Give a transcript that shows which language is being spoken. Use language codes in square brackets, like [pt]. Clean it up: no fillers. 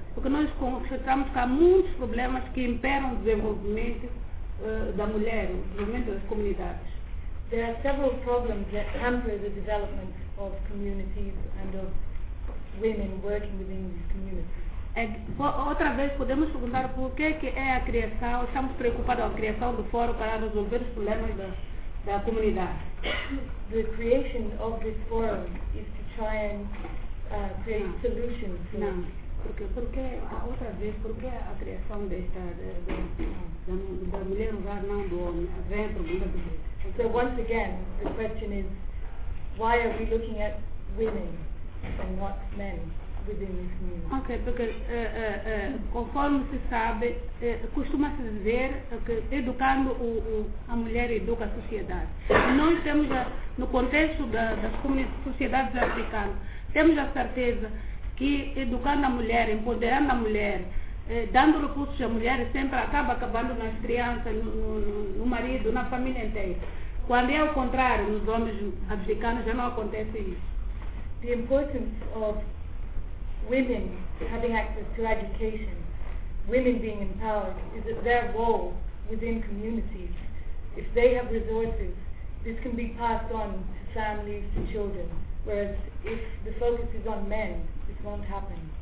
[pt] Porque nós constatamos que há muitos problemas que imperam o desenvolvimento da mulher, o desenvolvimento das comunidades. [en] There are several problems that hamper the development of communities and of women working within these communities. [pt] Outra vez podemos perguntar por que é a criação, estamos preocupados com a criação do fórum para resolver os problemas da comunidade. [en] The creation of this forum is to try and create solutions to [pt] Porque outra vez, porque a criação desta da mulher no lugar não do homem, vem a pergunta de Deus. [en] So once again, the question is, why are we looking at women and not men within this meaning? [pt] Okay, porque conforme se sabe, costuma-se dizer que educando a mulher educa a sociedade. Nós temos, no contexto das sociedades africanas, temos a certeza que educando a mulher, empoderando a mulher, dando recursos à mulher, sempre acaba acabando nas crianças, no marido, na família inteira. Quando é o contrário, nos homens africanos já não acontece isso. [en] The importance of women having access to education, women being empowered, is that their role within communities, if they have resources, this can be passed on to families, to children. Whereas if the focus is on men, this won't happen.